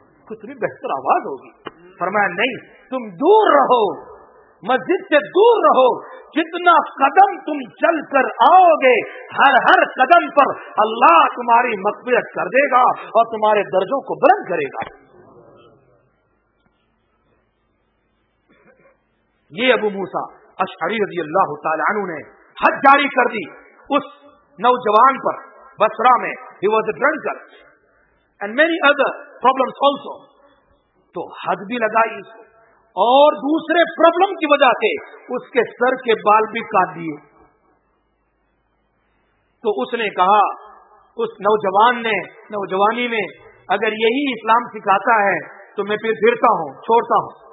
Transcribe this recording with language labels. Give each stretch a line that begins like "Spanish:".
Urdu: کتنی بہتر آواز ہوگی. فرمایا نہیں، تم دور رہو، مسجد سے دور رہو، جتنا قدم تم چل کر آؤ گے ہر ہر قدم پر اللہ تمہاری مغفرت کر دے گا اور تمہارے درجوں کو بلند کرے گا. یہ ابو موسیٰ اشعری رضی اللہ تعالی عنہ نے حد جاری کر دی اس نوجوان پر بصرہ میں.
English: He was a drunkard and many other problems also.
Urdu: تو حد بھی لگائی اور دوسرے پرابلم کی وجہ سے اس کے سر کے بال بھی کاٹ دیے. تو اس نے کہا، اس نوجوان نے نوجوانی میں، اگر یہی اسلام سکھاتا ہے تو میں پھر پھرتا ہوں، چھوڑتا ہوں.